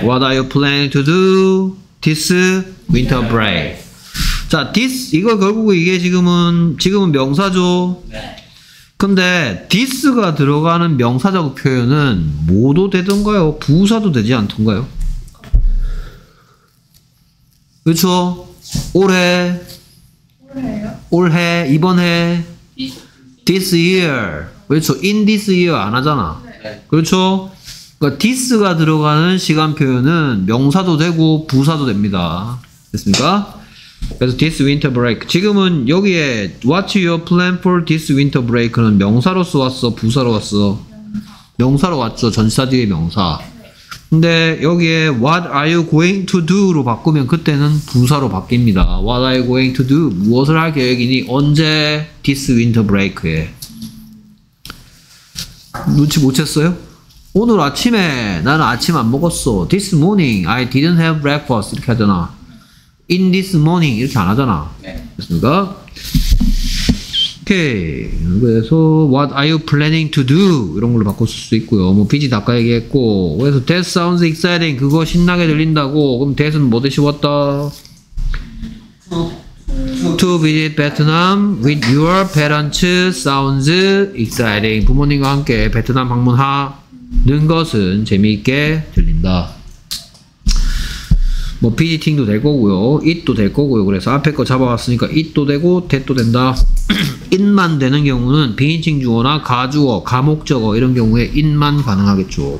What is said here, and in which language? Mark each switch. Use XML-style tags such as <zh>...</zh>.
<en>what are you planning to do this winter break</en> <ko>자, this 이거 결국 이게 지금은 명사죠. 네. 근데 this가 들어가는 명사적 표현은 뭐도 되던가요? 부사도 되지 않던가요? 그렇죠. 올해 이번 해 this year 그렇죠.</ko> <en>in this year</en> <ko>안 하잖아. 그렇죠. 그러니까 this가 들어가는 시간 표현은 명사도 되고 부사도 됩니다. 됐습니까? 그래서 this winter break 지금은 여기에</ko> <en>what's your plan for this winter break</en> <ko>는 명사로 써왔어 부사로 왔어 명사로 왔죠. 전치사 뒤에 명사. 근데 여기에</ko> <en>what are you going to do</en> <ko>로 바꾸면 그때는 부사로 바뀝니다.</ko> <en>what are you going to do</en> <ko>무엇을 할 계획이니 언제</ko> <en>this winter break에.</en> <ko>눈치 못 챘어요? 오늘 아침에 나는 아침 안 먹었어.</ko> <en>this morning I didn't have breakfast</en> <ko>이렇게 하잖아.</ko> <en>In this morning</en> <ko>이렇게 안 하잖아. 네. 됐습니까? 오케이. 그래서</ko> <en>What are you planning to do?</en> <ko>이런 걸로 바꿀 수 있고요. 뭐 비지 닦아 얘기했고. 그래서</ko> <en>That sounds exciting.</en> <ko>그거 신나게 들린다고. 그럼 That은 뭐 대신 왔다?</ko> <en>To visit Vietnam with your parents sounds exciting.</en> <ko>부모님과 함께 베트남 방문하는 것은 재미있게 들린다. 뭐 비지팅도 될 거고요. it도 될 거고요. 그래서 앞에 거 잡아왔으니까 it도 되고 that도 된다. it만 되는 경우는 비인칭 주어나 가주어, 가목적어 이런 경우에 it만 가능하겠죠.</ko>